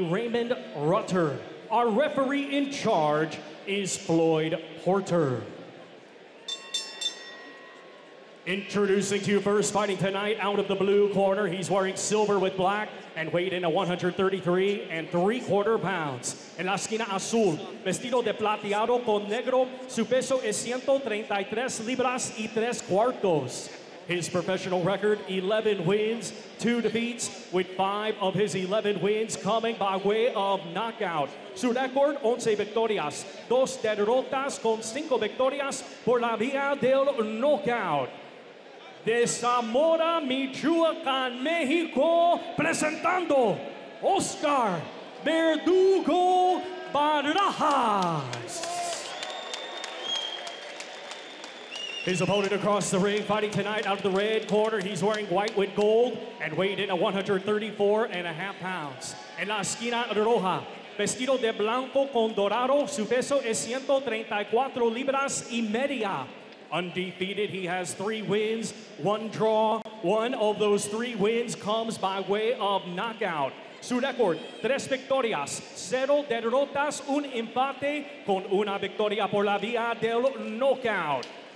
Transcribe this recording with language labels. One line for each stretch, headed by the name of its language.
English: Raymond Rutter. Our referee in charge is Floyd Porter. Introducing to you first, fighting tonight out of the blue corner. He's wearing silver with black and weighed in at 133¾ pounds.
Spanish: En la esquina azul, vestido de plateado con negro, su peso es 133 libras y 3 cuartos.
English: His professional record, 11 wins, 2 defeats, with 5 of his 11 wins coming by way of knockout.
Spanish: Su record, 11 victorias, 2 derrotas con 5 victorias por la vía del knockout. De Zamora, Michoacán, México, presentando Oscar Verdugo Barajas.
English: His opponent across the ring, fighting tonight out of the red corner. He's wearing white with gold and weighed in at 134½ pounds.
Spanish: En la esquina roja, vestido de blanco con dorado, su peso es 134 libras y media.
English: Undefeated, he has 3 wins, 1 draw. 1 of those 3 wins comes by way of knockout.
Spanish: Su record, 3 victorias, 0 derrotas, 1 empate con una victoria por la vía del knockout.